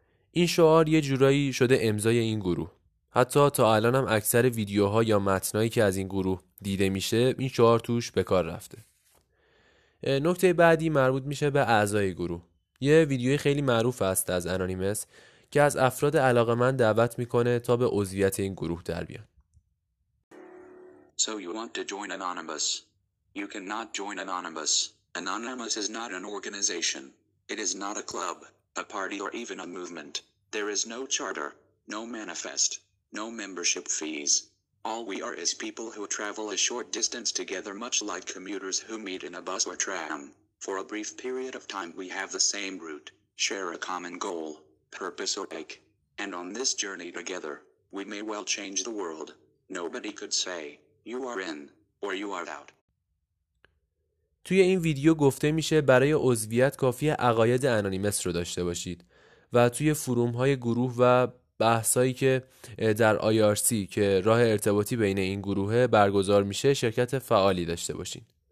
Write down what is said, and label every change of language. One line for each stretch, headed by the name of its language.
Persian: این شعار یه جورایی شده امضای این گروه. حتی تا الان هم اکثر ویدیوها یا متنایی که از این گروه دیده میشه این شعار توش به کار رفته. نکته بعدی مربوط میشه به اعضای گروه. یه ویدیوی خیلی معروف است از انانیمس که از افراد علاقه من دعوت میکنه تا به عضویت این گروه در بیان.
English: So you want to join Anonymous? You cannot join Anonymous. Anonymous is not an organization. It is not a club, a party or even a movement. There is no charter, no manifest. No membership fees. All we are is people who travel a short distance together, much like commuters who meet in a bus or tram. For a brief period of time, we have the same route, share a common goal, purpose or ache. And on this journey together, we may well change the world. Nobody could say, you are in, or you are out.
Persian: توی این ویدیو گفته میشه برای عضویت کافی عقاید انانیمس رو داشته باشید و توی فروم های گروه و بحثایی که در IRC که راه ارتباطی بین این گروه برگزار میشه شرکت فعالی داشته باشین.